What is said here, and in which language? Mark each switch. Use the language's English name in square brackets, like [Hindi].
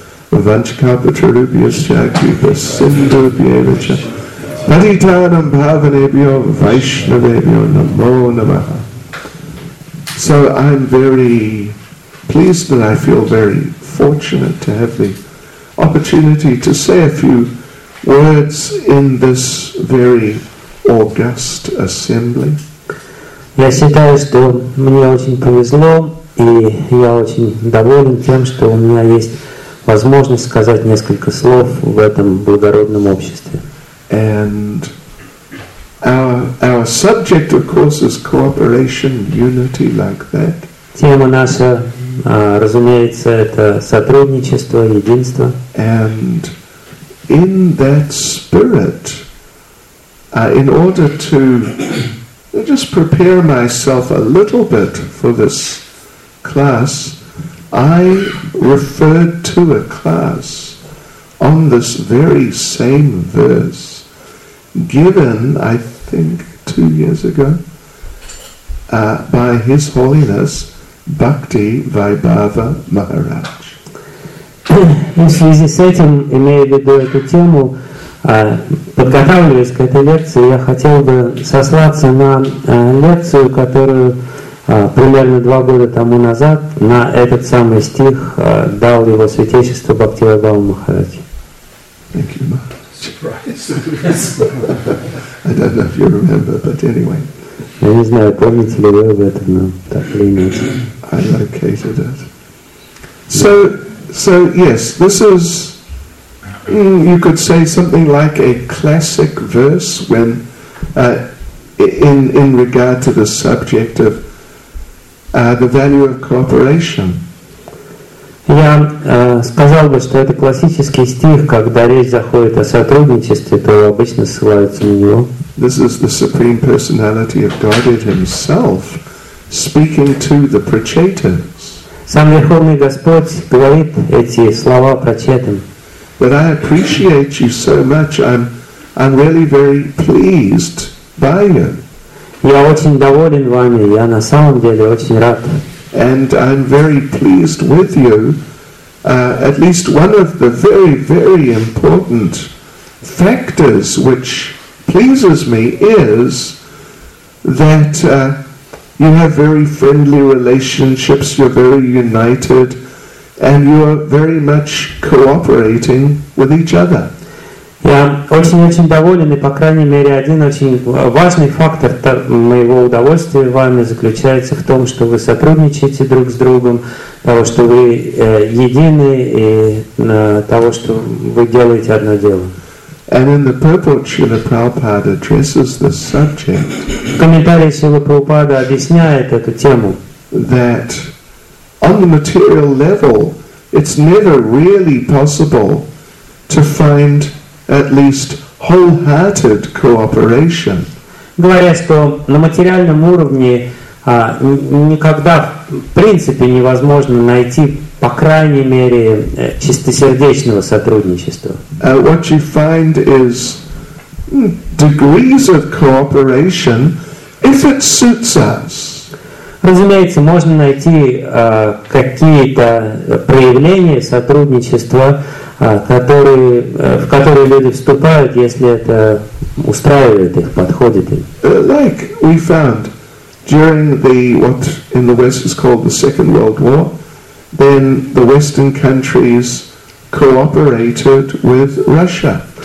[Sanskrit] Vanchakalpa Charubhyasya Kripa Sindhu Bhyevacha Paditanam Bhavanebhyo Vaishnavebhyo Namo Namaha. [English] So I'm very pleased and I feel very fortunate to have the opportunity to say a few words in this very august assembly. [Russian] Я считаю, что мне очень повезло, и я очень доволен тем, что у меня есть возможность сказать несколько слов в этом благородном обществе. [English] And our subject, of course, is cooperation, unity, like that. [Russian] Тема наша, разумеется, это сотрудничество, единство. [English] And in that spirit, in order to just prepare myself a little bit for this class, I referred to a class on this very same verse given, I think, 2 years ago by His Holiness Bhakti Vaibhava Maharaj. In [Russian] связи с этим, имея в виду эту тему, подготавливаясь к этой лекции, я хотел бы сослаться на лекцию, которую примерно 2 года тому назад на этот самый стих дал Его Святейшество Бхакти Вайбхава Махарадж. [English] Thank you, Mark. Surprise. I don't know if you remember, but anyway. [Russian] Я не знаю, помните ли вы об этом, но так или иначе. [English] I located it. So yes, this is, you could say, something like a classic verse when in regard to the subject of the value of cooperation. [Russian] Я сказал бы, что это классический стих, когда речь заходит о сотрудничестве, то обычно ссылаются на него. [English] This is the Supreme Personality of Godhead Himself speaking to the Prachetas. [Russian] Сам Верховный Господь говорит эти слова Прачетам. [English] But I appreciate you so much. I'm really very pleased by you. [Russian] Я очень доволен вами. Я на самом деле очень рад. [English] And I'm very pleased with you. At least one of the very, very important factors which pleases me is that you have very friendly relationships. You're very united. And you are very much cooperating with each other. [Russian] Я очень-очень доволен, и по крайней мере один очень важный фактор моего удовольствия вами заключается в том, что вы сотрудничаете друг с другом, того, что вы едины, и того, что вы делаете одно дело. [English] And in the purport, Srila Prabhupada addresses this subject. [Russian] В комментарии Srila Prabhupada объясняет эту тему. [English] That on the material level, it's never really possible to find at least wholehearted cooperation. [Russian] Говоря, что на материальном уровне никогда в принципе невозможно найти, по крайней мере, чистосердечного сотрудничества. [English] What you find is degrees of cooperation if it suits us. [Russian] Разумеется, можно найти какие-то проявления сотрудничества, в которые люди вступают, если это устраивает их, подходит им. [English] Like we found during the what in the West is called the Second World War, then the Western countries cooperated with Russia.